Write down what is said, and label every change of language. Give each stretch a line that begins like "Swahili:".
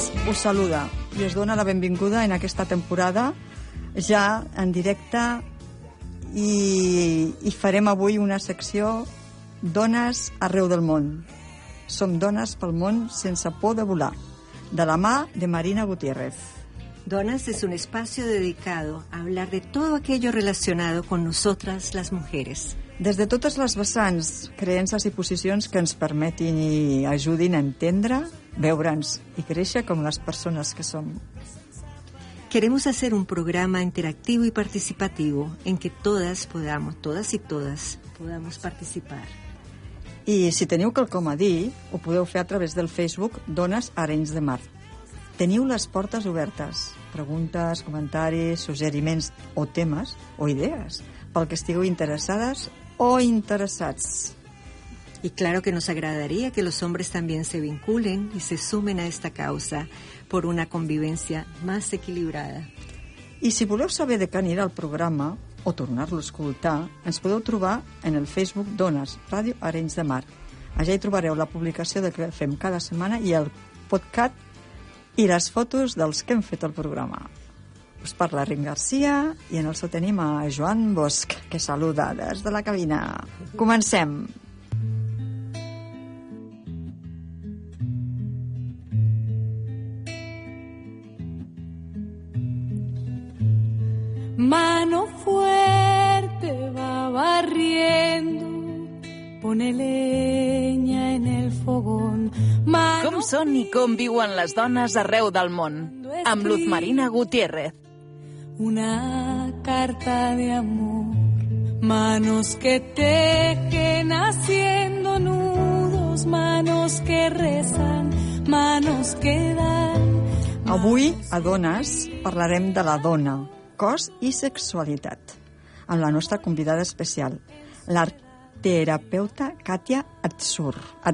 Catalan: Us saluda i us dona la benvinguda en aquesta temporada ja en directe i farem avui una secció Dones arreu del món. Som dones pel món sense por de volar, de la mà de Marina Gutiérrez.
Spanish: Dones es un espacio dedicado a hablar de todo aquello relacionado con nosotras las mujeres.
Catalan: Des de totes les vessants, creences i posicions que ens permetin i ajudin a entendre, veure'ns i créixer com les persones que som.
Spanish: Queremos hacer un programa interactivo y participativo en que todas podamos, todas y todas, podamos participar.
Catalan: I si teniu quelcom a dir, ho podeu fer a través del Facebook Dones Arenys de Mar. Teniu les portes obertes, preguntes, comentaris, suggeriments o temes o idees pel que estigueu interessades o interessats.
Spanish: Y claro que nos agradaría que los hombres también se vinculen y se sumen a esta causa por una convivencia más equilibrada.
Catalan: I si voleu saber de què anirà el programa o tornar-lo a escoltar, ens podeu trobar en el Facebook Dones Ràdio Arenys de Mar. Allà hi trobareu la publicació de què fem cada setmana i el podcast i les fotos dels que hem fet el programa. Us parla Rim Garcia i en el so tenim a Joan Bosch, que saluda des de la cabina. Comencem!
Spanish: Mano fuerte va barriendo, pone leña en el fogón.
Catalan: Mano com són i com viuen les dones arreu del món? Amb Luz Marina Gutiérrez.
Spanish: Una carta de amor, manos que tejen haciendo nudos, manos que rezan, manos que dan.
Catalan: Avui, a Dones, parlarem de la dona, cos i sexualitat, amb la nostra convidada especial, l'arterapeuta Kàtia Atzuar.